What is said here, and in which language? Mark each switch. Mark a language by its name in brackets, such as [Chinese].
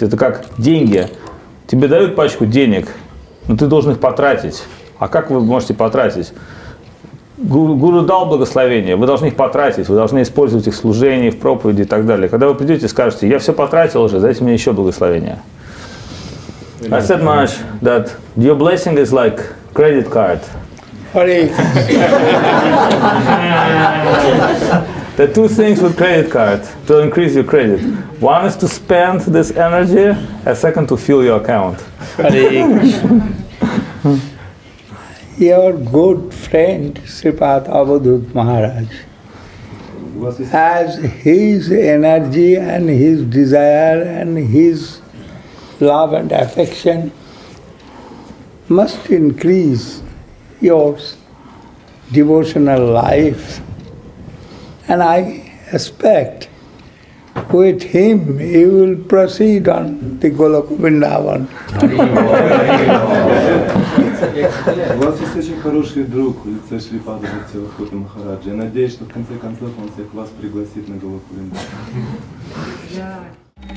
[Russian] Это как деньги. Тебе дают пачку денег, но ты должен их потратить. А как вы можете потратить? Гуру дал благословение, вы должны их потратить, вы должны использовать их в служении, в проповеди и так далее. Когда вы придете и скажете, я все потратил уже, дайте мне еще благословение. [English] I said, Maharaj, that your blessing is like credit card. [Sanskrit] Hare. [English] The two things with credit card to increase your credit. One is to spend this energy, a second to fill your account. [Sanskrit] Hare. [English] Your good friend, Sri Pada Avadhut Maharaj, has his energy and his desire and his love and affection must increase your devotional life. And I expect with him you will proceed on the Goloka Vrindavan. [Russian] У вас есть очень хороший друг, лице Шри Пада Бхактивинода Махараджа. Я надеюсь, что в конце концов он всех вас пригласит на Голоку Вриндаван.